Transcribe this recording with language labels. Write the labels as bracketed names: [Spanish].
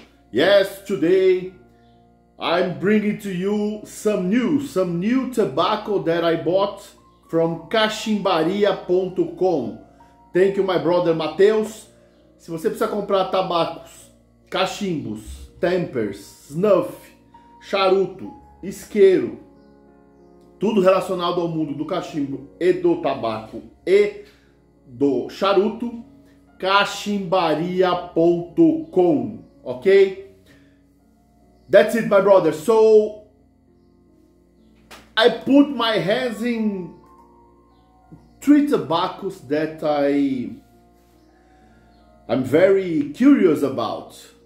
[English] Yes, today I'm bringing to you some new tobacco that I bought from cachimbaria.com. Thank you my brother Mateus. [Portuguese] Se você precisa comprar tabacos, cachimbos, tempers, snuff, charuto, isqueiro, tudo relacionado ao mundo do cachimbo e do tabaco e do charuto, cachimbaria.com, ok? [English] That's it, my brother. So, I put my hands in three tobaccos that I'm very curious about.